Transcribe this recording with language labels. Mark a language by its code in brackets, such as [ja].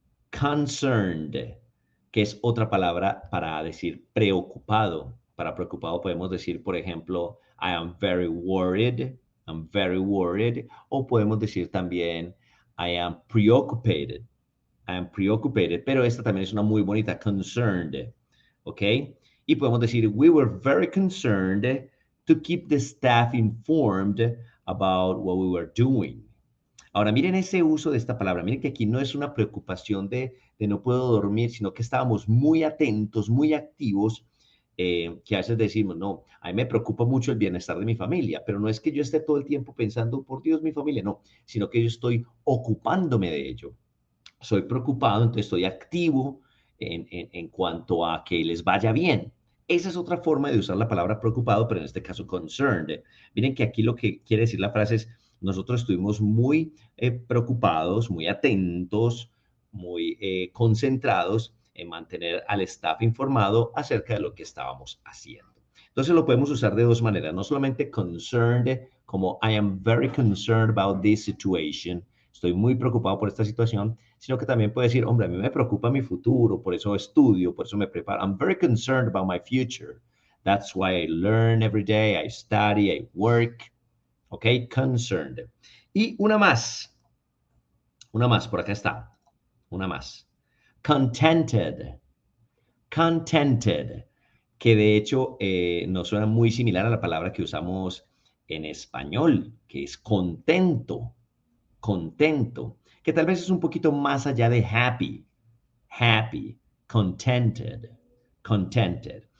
[es] Concerned, que es otra palabra para decir preocupado. [en] Para preocupado podemos decir, por ejemplo, I am very worried, I'm very worried. O podemos decir también, I am preoccupated, I am preoccupated. [es] Pero esta también es una muy bonita, concerned. ¿Ok? [en] Y podemos decir, we were very concerned to keep the staff informed about what we were doing. [es] Ahora, miren ese uso de esta palabra. Miren que aquí no es una preocupación de no puedo dormir, sino que estábamos muy atentos, muy activos, que a veces decimos, no, a mí me preocupa mucho el bienestar de mi familia, pero no es que yo esté todo el tiempo pensando, por Dios, mi familia, no, sino que yo estoy ocupándome de ello. Soy preocupado, entonces estoy activo en cuanto a que les vaya bien. Esa es otra forma de usar la palabra preocupado, pero en este caso concerned. Miren que aquí lo que quiere decir la frase es, nosotros estuvimos muy preocupados, muy atentos, muy concentrados en mantener al staff informado acerca de lo que estábamos haciendo. Entonces lo podemos usar de dos maneras, no solamente concerned, como I am very concerned about this situation, estoy muy preocupado por esta situación, sino que también puede decir, hombre, a mí me preocupa mi futuro, por eso estudio, por eso me preparo. [en] I'm very concerned about my future. That's why I learn every day, I study, I work. Ok, concerned. [es] Y una más, por acá está, una más. Contented, contented, que de hecho nos suena muy similar a la palabra que usamos en español, que es contento, contento, que tal vez es un poquito más allá de happy, happy, contented, contented.